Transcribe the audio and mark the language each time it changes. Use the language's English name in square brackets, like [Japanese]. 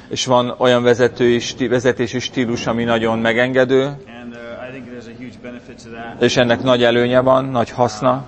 [Hungarian] És van olyan vezetési stílus, ami nagyon megengedő. [English] And I think there's a huge benefit to that. [Hungarian] És ennek nagy előnye van, nagy haszna.